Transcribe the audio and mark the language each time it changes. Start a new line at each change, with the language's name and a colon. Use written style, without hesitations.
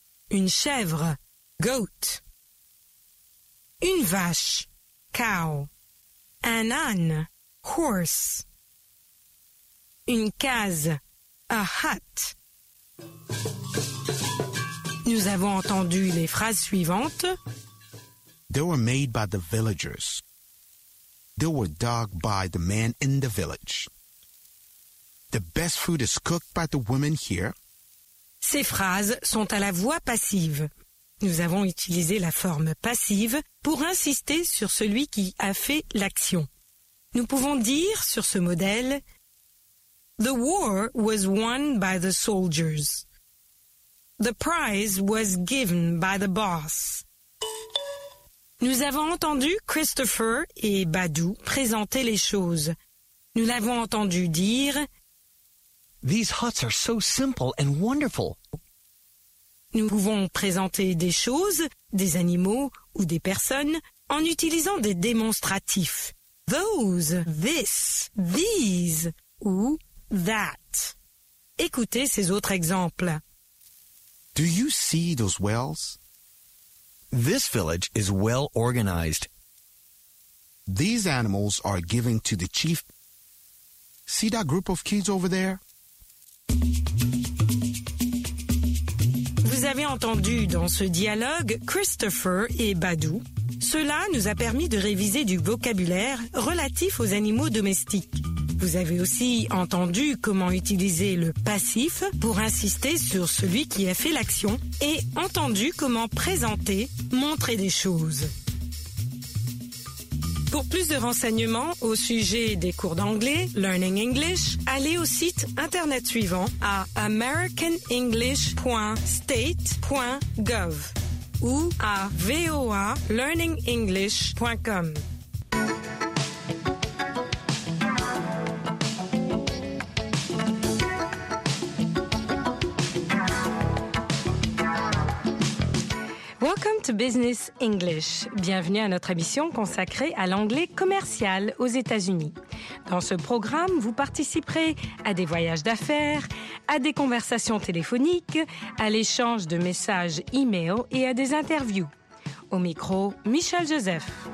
French: Une chèvre, goat. Une vache, cow. Un âne, horse. Une case,
English: a hut.
French: Nous avons entendu les phrases suivantes.
English: They were made by the villagers. They were dug by the men in the village. The best food is cooked by the women here.
French: Ces phrases sont à la voix passive. Nous avons utilisé la forme passive pour insister sur celui qui a fait l'action. Nous pouvons dire sur ce modèle,
English: The war was won by the soldiers. The prize was given by the boss.
French: Nous avons entendu Christopher et Badou présenter les choses. Nous l'avons entendu dire.
English: These huts are so simple and wonderful.
French: Nous pouvons présenter des choses, des animaux ou des personnes en utilisant des démonstratifs.
English: Those, this, these ou that.
French: Écoutez ces autres exemples.
English: Do you see those wells? This village is well organized. These animals are giving to the chief. See that group of kids over there?
French: Vous avez entendu dans ce dialogue Christopher et Badou. Cela nous a permis de réviser du vocabulaire relatif aux animaux domestiques. Vous avez aussi entendu comment utiliser le passif pour insister sur celui qui a fait l'action et entendu comment présenter, montrer des choses. Pour plus de renseignements au sujet des cours d'anglais, Learning English, allez au site internet suivant à americanenglish.state.gov ou à voalearningenglish.com.
English: Welcome to Business English.
French: Bienvenue à notre émission consacrée à l'anglais commercial aux États-Unis. Dans ce programme, vous participerez à des voyages d'affaires, à des conversations téléphoniques, à l'échange de messages e-mail et à des interviews. Au micro, Michel Joseph.